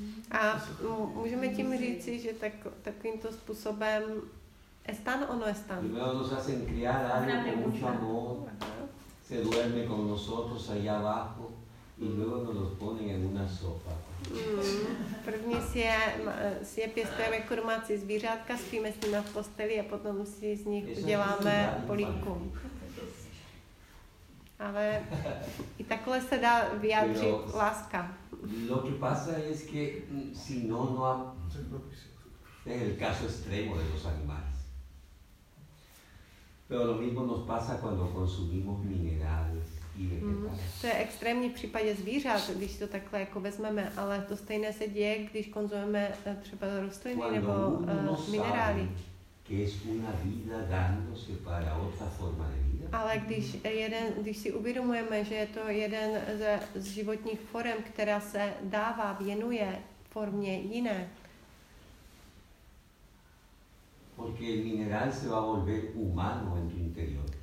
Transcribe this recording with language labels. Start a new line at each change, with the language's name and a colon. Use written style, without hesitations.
Czech: A můžeme tím říci, že takovýmto způsobem
Spanish: están o no están? Primero nos hacen criar algo con mucho amor, se duerme con nosotros allá abajo y luego nos los ponen en una sopa.
Czech: První si je pěstujeme kurmací zvířátka, spíme s nimi v posteli a potom si z nich uděláme polívku. Ale i takhle se dá vyjádřit láska.
Spanish: Lo que pasa es que si no, no ha... Es el caso extremo de los animales. Pero lo mismo nos pasa cuando consumimos minerales.
Czech: To je extrémní v případě zvířat, když to takhle jako vezmeme, ale to stejné se děje, když konzumujeme třeba rostliny
Spanish: cuando
Czech: nebo minerály.
Spanish: Que es una vida dándose para otra forma de vida.
Czech: Ale když si uvědomujeme, že je to jeden z životních forem, která se dává, věnuje formě jiné.
Spanish: Porque el mineral se va a volver humano en tu interior.